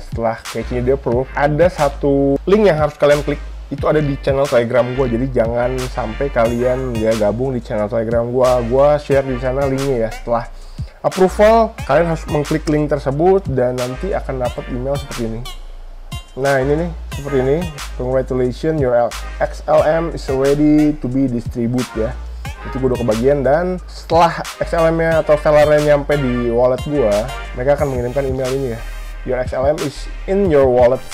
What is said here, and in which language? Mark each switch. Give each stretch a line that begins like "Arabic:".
Indonesian: Setelah KIC-nya di-approve, ada satu link yang harus kalian klik. Itu ada di channel Telegram gue, jadi jangan sampai kalian ya gabung di channel Telegram gue. Gue share di sana linknya ya. Setelah approval, kalian harus mengklik link tersebut dan nanti akan dapat email seperti ini. Nah, ini nih, seperti ini.
English: Congratulations, your XLM is ready to be distributed ya.
Indonesian: Itu gue udah kebagian, dan setelah XLM-nya atau seller-nya nyampe di wallet gue, mereka akan mengirimkan email ini ya.
English: Your XLM is in your wallet.